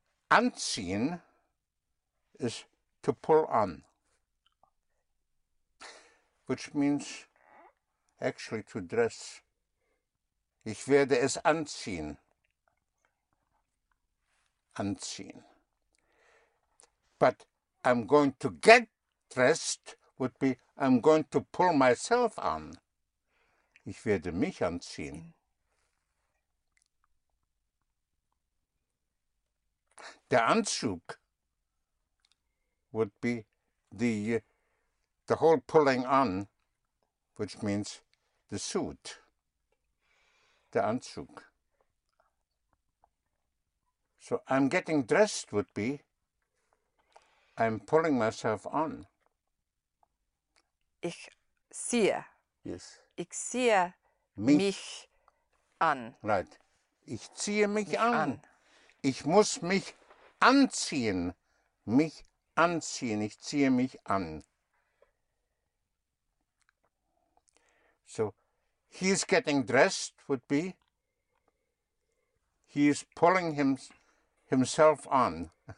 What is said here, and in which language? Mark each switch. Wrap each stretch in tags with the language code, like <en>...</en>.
<en>Anziehen is to pull on, which means actually to dress.</en> <de>Ich werde es anziehen.</de> <en>Anziehen. But I'm going to get dressed would be I'm going to pull myself on.</en> <de>Ich werde mich anziehen.</de> <en>Der Anzug would be the whole pulling on, which means the suit. Der Anzug. So I'm getting dressed would be I'm pulling myself on.</en> <de>Ich ziehe.</de> <en>Yes.</en> <de>Ich ziehe mich an.</de> <en>Right.</en> <de>Ich ziehe mich an. Ich muss mich anziehen, mich anziehen, ich ziehe mich an.</de> <en>So, he's getting dressed would be, he is pulling himself on.</en>